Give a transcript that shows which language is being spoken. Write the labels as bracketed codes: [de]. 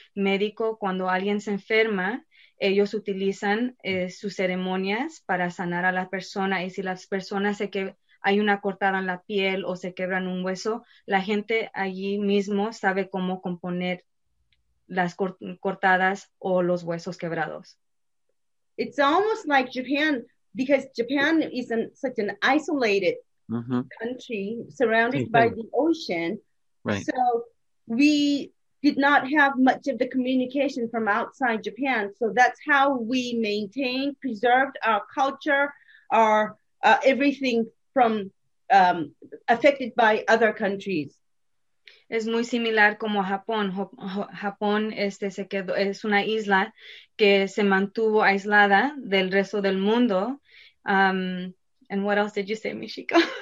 [es] Médico, cuando alguien se enferma, ellos utilizan sus ceremonias para sanar a la persona, y si las personas hay una cortada en la piel o se quebran un hueso, la gente allí mismo sabe cómo componer las cortadas o los huesos quebrados. [en] It's almost like Japan, because Japan is such an isolated mm-hmm. country surrounded mm-hmm. by the ocean. Right. So we did not have much of the communication from outside Japan. So that's how we maintained, preserved our culture, our everything from affected by other countries. [es] Es muy similar como Japón. Japón se quedó, es una isla que se mantuvo aislada del resto del mundo. [en] And what else did you say, Michiko?